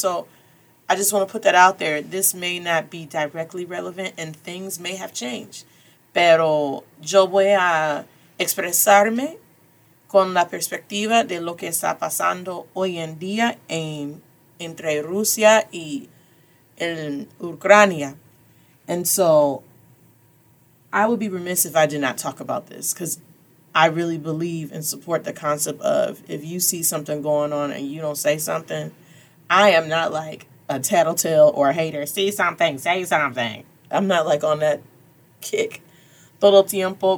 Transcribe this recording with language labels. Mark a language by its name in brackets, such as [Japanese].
[English] So I just want to put that out there. This may not be directly relevant and things may have changed. [Spanish] Pero yo voy a expresarme con la perspectiva de lo que está pasando hoy en día entre Rusia y Ucrania. [English] And so I would be remiss if I did not talk about this because I really believe and support the concept of if you see something going on and you don't say something, I am not like a tattletale or a hater. See something, say something. I'm not like on that kick [Spanish] todo tiempo.